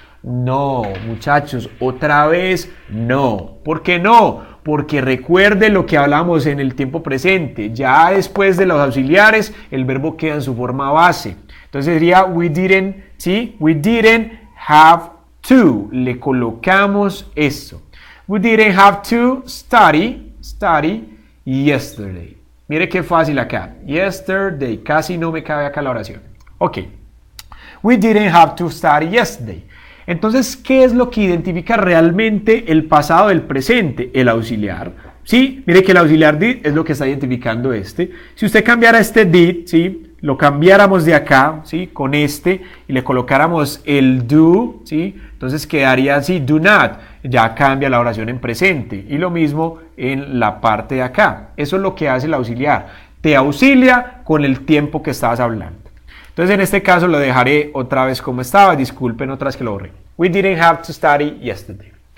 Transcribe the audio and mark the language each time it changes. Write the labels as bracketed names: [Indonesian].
[Spanish] No, muchachos, otra vez no. ¿Por qué no? Porque recuerde lo que hablamos en el tiempo presente. Ya después de los auxiliares, el verbo queda en su forma base. Entonces sería we didn't, ¿sí? [English] We didn't have to. [Spanish] Le colocamos esto. [English] We didn't have to study yesterday. [Spanish] Mire qué fácil acá. Yesterday. Casi no me cabe acá la oración. [English] Ok. We didn't have to study yesterday. [Spanish] Entonces, ¿qué es lo que identifica realmente el pasado del presente? El auxiliar. ¿Sí? Mire que el auxiliar did es lo que está identificando este. Si usted cambiara este did, ¿sí? Lo cambiáramos de acá, ¿sí? Con este y le colocáramos el do, ¿sí? Entonces quedaría así, do not. Ya cambia la oración en presente. Y lo mismo en la parte de acá. Eso es lo que hace el auxiliar. Te auxilia con el tiempo que estabas hablando. Entonces en este caso lo dejaré otra vez como estaba. Disculpen otra vez que lo borré. [English] We didn't have to study yesterday.